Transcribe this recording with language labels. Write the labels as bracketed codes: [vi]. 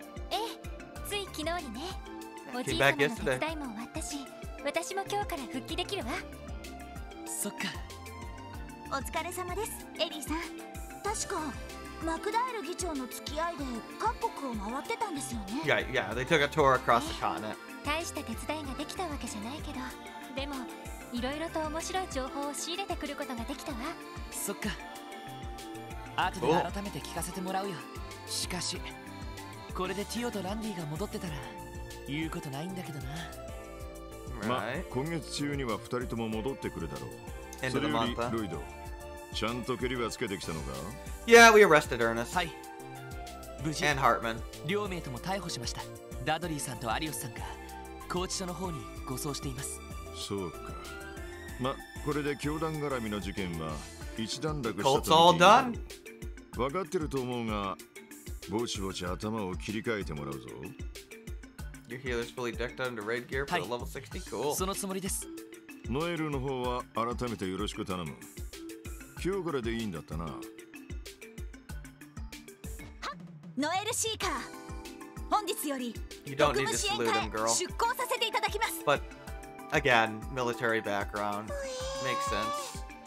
[ja] ええ、昨日にね。おじいさまの手伝いも終わったし、私も今日から復帰できるわ。そっか。お疲れ様です、エリーさん。確か、マクダイル議長の付き合いで各国を回ってたんですよね。 [en] Yeah, they took a tour across the continent. [ja] 大した手伝いができたわけじゃないけど、でも、いろいろと面白い情報を仕入れてくることができたわ。そっか。後で改めて聞かせてもらうよ。しかし、これでティオとランディが戻ってたら、言うことないんだけどな。まあ、今月中には2人とも戻ってくるだろう。 [en] End of the month, [ja] ルイド、ちゃんとケリはつけてきたのか？ [en] Yeah, we arrested Ernest. [ja] はい。無事。 [en] And Hartman. [ja] 両名とも逮捕しました。ダドリーさんとアリオスさんが拘置所の方に護送しています。そうか。まあ、これで教団絡みの事件は一段落したと。 [en] Cult's all done. [ja] 分かってると思うが、ぼちぼち頭を切り替えてもらうぞ。 [en] Your healer's fully decked out into raid gear for level 60. Cool. [ja] そのつもりです。ノエルの方は改めてよろしく頼む。今日からでいいんだったな。はっ、ノエルシーカー。本日より特務支援課へ出向させていただきます。 [en] But again, military background makes sense.